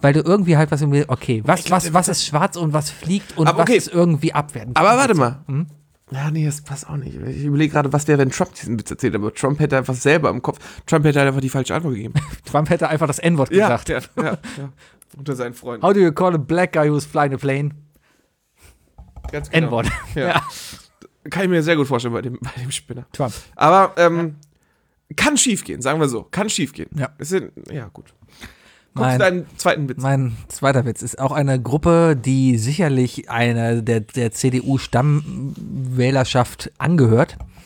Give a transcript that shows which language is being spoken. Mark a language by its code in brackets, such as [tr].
[de] Weil du irgendwie halt was, okay, was ist schwarz und was fliegt und aber, okay, was ist irgendwie abwertend. Aber warte mal. Ja, nee, das passt auch nicht. Ich überlege gerade, was wäre, wenn Trump diesen Witz erzählt, aber Trump hätte einfach selber im Kopf, Trump hätte einfach die falsche Antwort gegeben. Trump hätte einfach das N-Wort gesagt. Ja, unter seinen Freunden. [en] How do you call a black guy who's flying a plane? [de] Ganz genau. N-Wort. Ja. Kann ich mir sehr gut vorstellen bei dem Spinner. Trump. Aber kann schief gehen, sagen wir so. Kann schief gehen. Ja. Ja, gut. Kommst du deinen zweiten Witz? Mein zweiter Witz ist auch eine Gruppe, die sicherlich einer der CDU-Stammwählerschaft angehört.